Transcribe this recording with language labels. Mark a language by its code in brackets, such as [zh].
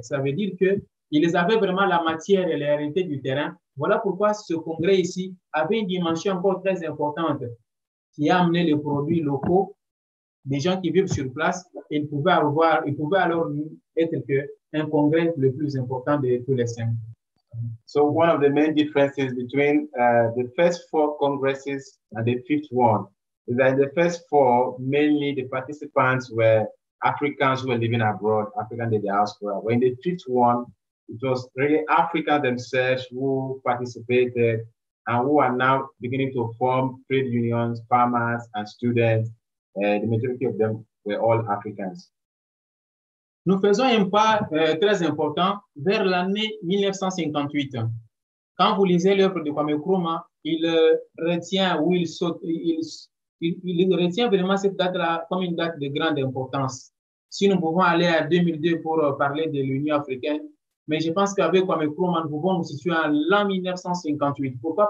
[fr] Ça veut dire que ils avaient vraiment la matière et la réalité du terrain. Voilà pourquoi ce congrès ici avait une dimension encore très importante qui a amené les produits locaux des gens qui vivent sur place. Et ils pouvaient alors être que un congrès le plus important de tous les cinq. [en] So one of the main differences between the first four congresses and the fifth one is that the first four, mainly the participants were Africans who were living abroad, African diaspora. But in the fifth one, it was really Africa themselves who participated and who are now beginning to form trade unions, farmers and students. The majority of them were all Africans. [fr] Nous faisons un pas très important vers l'année 1958. Quand vous lisez l'œuvre de Kwame Nkrumah, il retient vraiment cette date-là comme une date de grande importance. Si nous pouvons aller à 2002 pour parler de l'Union africaine, mais je pense qu'avec Kwame Nkrumah, nous pouvons nous situer à l'an 1958. Pourquoi?